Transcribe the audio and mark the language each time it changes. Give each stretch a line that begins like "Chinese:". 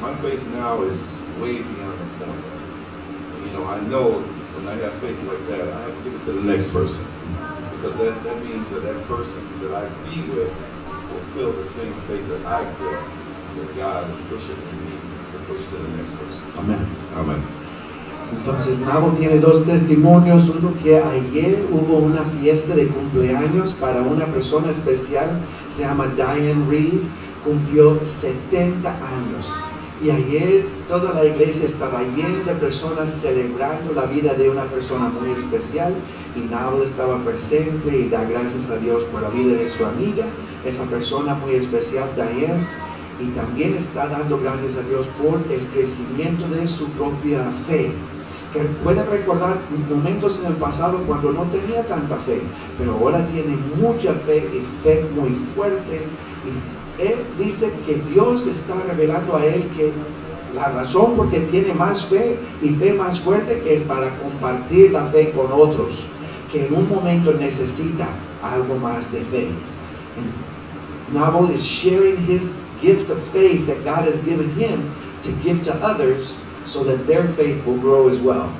English: My faith now is way beyond the point. And, you know, I know when I have faith like that, I have to give it to the next person. Because that means that person that I be with will feel the same faith that I feel, that God is pushing in me to push to the next person. Amen. Amen.
Spanish: Entonces, Nabo tiene dos testimonios. Uno, que ayer hubo una fiesta de cumpleaños para una persona especial. Se llama Diane Reed. Cumplió 70 años. Y ayer toda la iglesia estaba llena de personas celebrando la vida de una persona muy especial. Y Nabo estaba presente y da gracias a Dios por la vida de su amiga, esa persona muy especial, Diane. Y también está dando gracias a Dios por el crecimiento de su propia fe. Que puede recordar momentos en el pasado cuando no tenía tanta fe, pero ahora tiene mucha fe y fe muy fuerte. Y él dice que Dios está revelando a él que la razón por qué tiene más fe y fe más fuerte es para compartir la fe con otros, que en un momento necesita algo más de fe.
English: Navo is sharing his gift of faith that God has given him to give to others so that their faith will grow as well.